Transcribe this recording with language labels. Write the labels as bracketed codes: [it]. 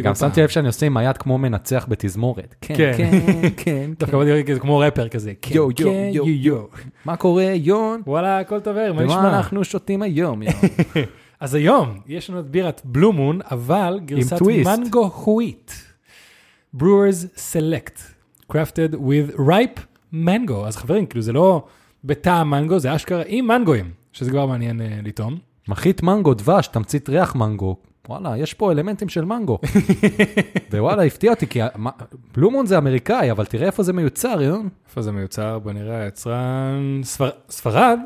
[he] אני גם שמתי לב שאני עושה עם היד כמו מנצח בתזמורת. כן, כן, כן. דווקא בוא נראה כזה כמו רפר כזה. יו, יו, יו, יו. מה קורה, יון? וואלה, הכל טוב, מה נשמע? אנחנו שותים היום, יון. אז היום יש לנו את בירת בלו מון, אבל גרסת מנגו חווית. [en] Brewers Select, crafted with ripe mango. [he] אז חברים, כאילו זה לא בטעם מנגו, זה אשכרה עם מנגויים, שזה כבר מעניין לטעום. מחית מנגו דבש, תמצית ריח מנגו. וואלה, יש פה אלמנטים של מנגו. ווואלה, הפתיע אותי, כי בלו מון זה אמריקאי, אבל תראה איפה זה מיוצר, יום. איפה זה מיוצר? בוא נראה, יצרן ספרד.